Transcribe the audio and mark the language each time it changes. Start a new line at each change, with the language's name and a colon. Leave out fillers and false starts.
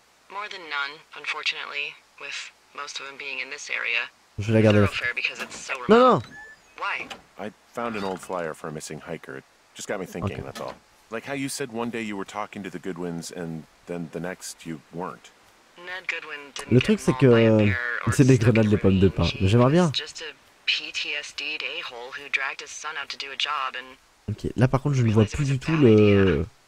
English: More than none, unfortunately, with most of them being in this area.
French: Je vais la garder. Non, non.
English: Why? I found an old flyer for a missing hiker. It just got me thinking, okay. That's all. Like how you said one day you were talking to the Goodwins and then the next you weren't. Ned Goodwin didn't.
French: Le truc c'est que c'est des grenades de pommes de pain. Mais j'aimerais bien.
English: Just a PTSD a-hole who dragged his son out to do a job and.
French: OK, là par contre, je ne vois plus du tout le.